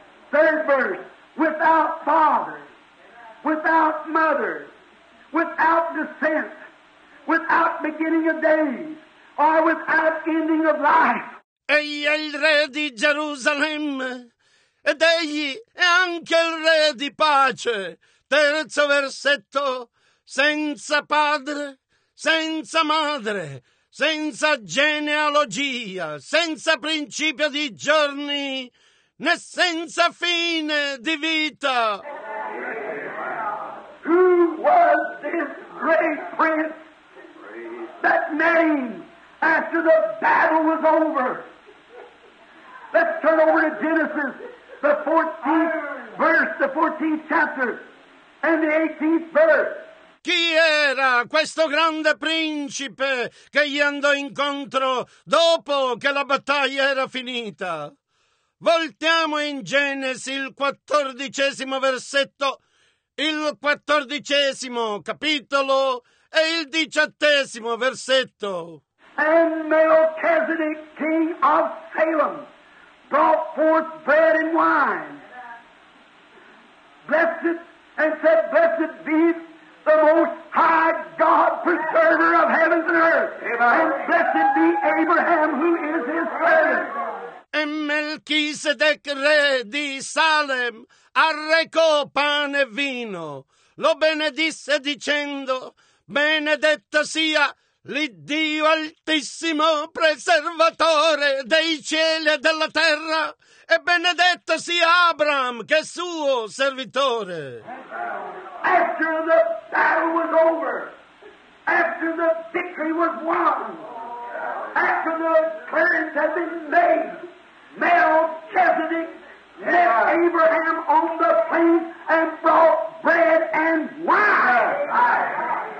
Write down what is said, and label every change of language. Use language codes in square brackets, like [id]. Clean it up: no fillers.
[en] Third verse. Without father, without mother, without descent, without beginning of days, or without ending of life. [it] Egli è il re di Gerusalemme, ed egli è anche il re di pace. Terzo versetto, senza padre, senza madre, senza genealogia, senza principio di giorni, né senza fine di vita. [en] Who was this great prince that named after the battle was over? Let's turn over to Genesis, the 14th verse, the 14th chapter, and the 18th verse. [it] Chi era questo grande principe che gli andò incontro dopo che la battaglia era finita? Voltiamo in Genesi, il 14esimo versetto, il 14esimo capitolo e il 18esimo versetto. [en] And Melchizedek, king of Salem, brought forth bread and wine, blessed, and said, blessed be the Most High God, preserver of heavens and earth, and blessed be Abraham, who is his servant. [it] e Melchisedec re di Salem arrecò pane e vino, lo benedisse dicendo: benedetto sia l'Iddio Altissimo, preservatore dei cieli e della terra, e benedetto sia Abram, che è suo servitore. [en] After the battle was over, after the victory was won, after the plans had been made, Melchizedek left Abraham on the plains and brought bread and wine.